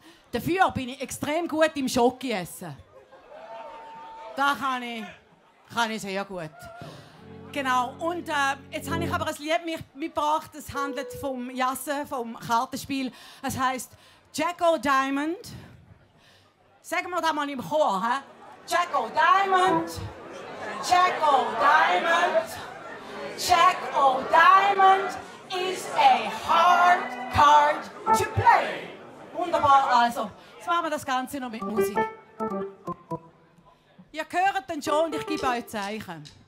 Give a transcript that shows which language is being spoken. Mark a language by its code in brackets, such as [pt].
[de] Dafür bin ich extrem gut im Schoggi essen. Da kann ich sehr gut. Genau. Und jetzt habe ich aber ein Lied mitgebracht. Es handelt vom Jassen, vom Kartenspiel. Es heisst Jacko Diamond. Sagen wir das mal im Chor. He? Jacko Diamond. [en] Jack O'Diamond, Jack O'Diamond is a hard card to play. [de] Wunderbar, also, jetzt machen wir das Ganze noch mit Musik. Ihr hört den schon und ich gebe euch Zeichen.